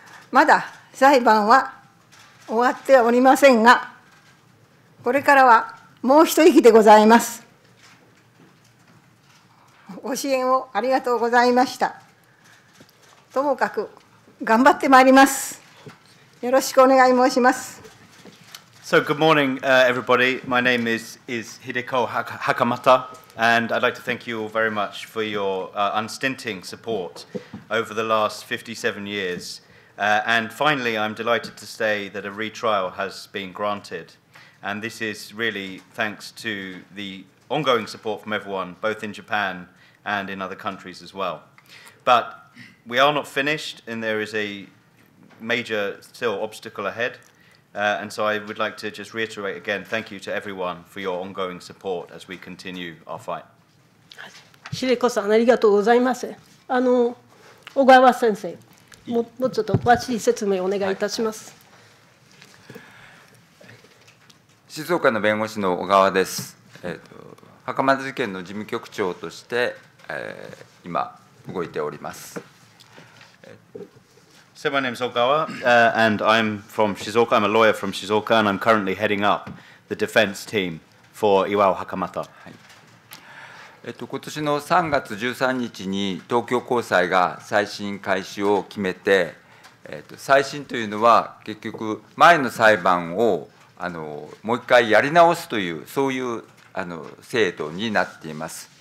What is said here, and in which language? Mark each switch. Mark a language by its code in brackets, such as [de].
[ja] まだ裁判は終わっておりませんが、これからはもう一息でございます。ご支援をありがとうございました。ともかく頑張ってまいります。よろしくお願い申します。 [en] So good morning, everybody. My name is Hideko Hakamata, and I'd like to thank you all very much for your unstinting support over the last 57 years. And finally, I'm delighted to say that a retrial has been granted. And this is really thanks to the ongoing support from everyone, both in Japan and in other countries as well. But we are not finished, and there is a major still obstacle ahead, and so I would like to just reiterate again, thank you to everyone for your ongoing support as we continue our fight. [ja] Hideko-san, ありがとうございます。あの、小川先生、もうちょっと詳しい説明をお願いいたします。静岡の弁護士の小川です。袴田事件の事務局長として、今動いております。 [en] So my name is Ogawa, and I'm from Shizuoka. I'm a lawyer from Shizuoka, and I'm currently heading up the defense team for Iwao Hakamata. [ja] 今年の3月13日に東京高裁が再審開始を決めて、再審というのは結局前の裁判をもう一回やり直すというそういう制度になっています。